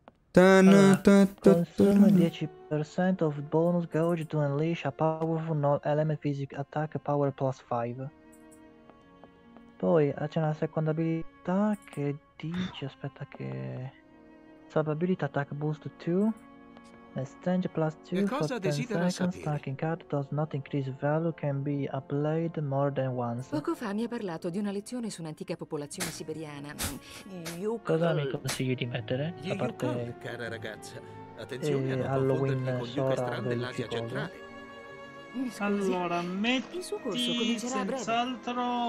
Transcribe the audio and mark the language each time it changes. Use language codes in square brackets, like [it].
[en] Consume 10% of bonus gauge to unleash a powerful null element physic attack power plus 5. [it] Poi c'è una seconda abilità che dice, aspetta che... [en] Sub ability attack boost 2, exchange plus 2 for 10 seconds, stacking card does not increase value, can be applied more than once. [it] Poco fa mi ha parlato di una lezione su un'antica popolazione siberiana. Yukal. Cosa mi consigli di mettere? A parte Yukal, cara ragazza. Attenzione a non confondermi con Yukal Strand dell'Asia centrale. Allora, metti il suo corso, senz'altro